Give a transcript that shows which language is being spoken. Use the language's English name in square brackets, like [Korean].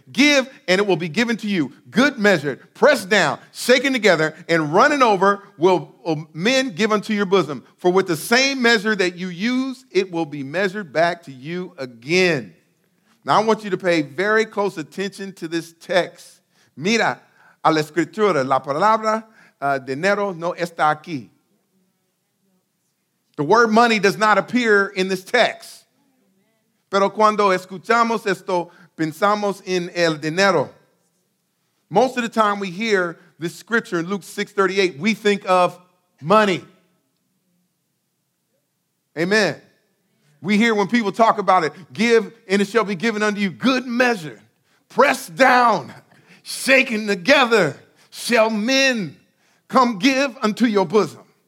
[English] Give, and it will be given to you. Good measure, pressed down, shaken together, and running over will men give unto your bosom. For with the same measure that you use, it will be measured back to you again. Now I want you to pay very close attention to this text. [Spanish] Mira a la escritura, la palabra, dinero no está aquí. [English] The word money does not appear in this text. [Spanish] Pero cuando escuchamos esto, pensamos en el dinero. [English] Most of the time we hear this scripture in Luke 6:38, we think of money. Amen. We hear when people talk about it, give and it shall be given unto you. Good measure, pressed down, shaken together, shall men come give unto your bosom.